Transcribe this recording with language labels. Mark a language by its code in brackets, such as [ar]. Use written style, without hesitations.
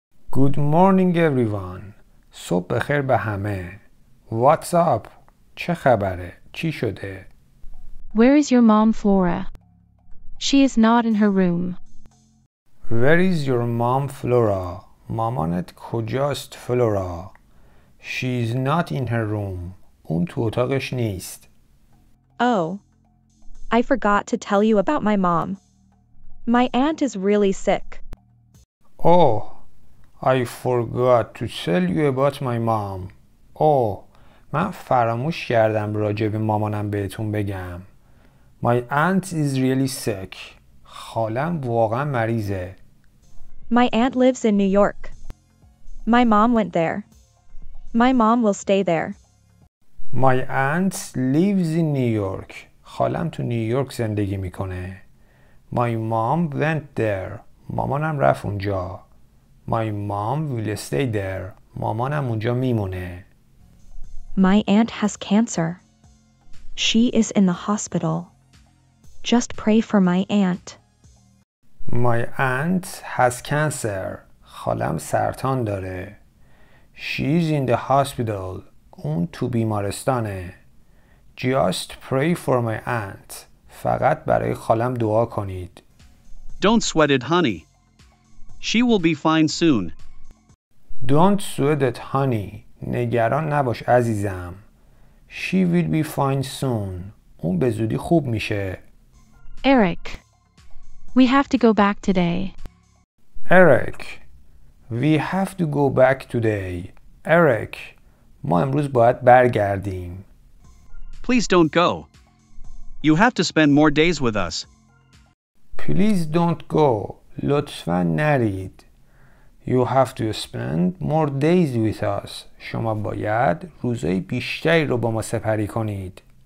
[en] Good morning, everyone. [fa] صبح بخیر به همه. [en] What's up? [fa] چه خبره؟ چی شده؟ [en] Where is your mom, Flora? She is not in her room. Where is your mom, Flora? [fa] مامانت کجاست, Flora? [en] She is not in her room. [fa] اون تو اتاقش نیست. [en] Oh, I forgot to tell you about my mom. My aunt is really sick. Oh, I forgot to tell you about my mom. [fa] Oh, من فراموش کردم راجع به مامانم بهتون بگم. [en] My aunt is really sick. [fa] خالم واقعا مریضه. [en] My aunt lives in New York. My mom went there. My mom will stay there. My aunt lives in New York. [fa] خالم تو نیویورک زندگی میکنه. [en] My mom went there. [fa] مامانم رفت اونجا. [en] My mom will stay there. [fa] مامانم اونجا میمونه. [en] My aunt has cancer. She is in the hospital. Just pray for my aunt. My aunt has cancer. [fa] خالم سرطان داره. [en] She is in the hospital. [fa] اون تو بیمارستانه. [en] Just pray for my aunt. [fa] فقط برای خالم دعا کنید. [en] Don't sweat it, honey. She will be fine soon. Don't sweat it, honey. [fa] نگران نباش عزیزم. [en] She will be fine soon. [fa] اون به زودی خوب میشه. [en] Eric, we have to go back today. Eric, we have to go back today. [fa] Eric, ما امروز باید برگردیم. [en] Please don't go. You have to spend more days with us. Please don't go. [fa] لطفاً نرید. [en] You have to spend more days with us. [fa] شما باید روزهای بیشتری رو با ما سپری کنید.